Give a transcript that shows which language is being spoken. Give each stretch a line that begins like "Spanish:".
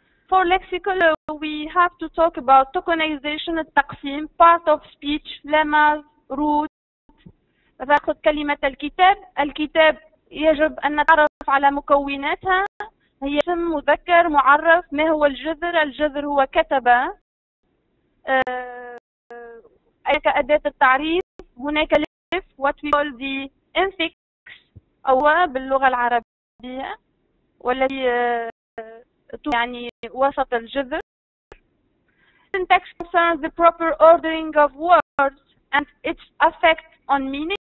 English: For lexical we have to talk about tokenization التقسيم part of speech lemmas root.
Arabic: فأخذ كلمة الكتاب. الكتاب يجب أن نتعرف على مكوناتها، هي اسم مذكر معرف، ما هو الجذر؟ الجذر هو كتبة. هناك أداة التعريف، هناك الف
English: what we call the infix
Arabic: أو باللغة العربية والذي يعني وسط الجذر.
English: Syntax concerns the proper ordering of words and its effect on meaning.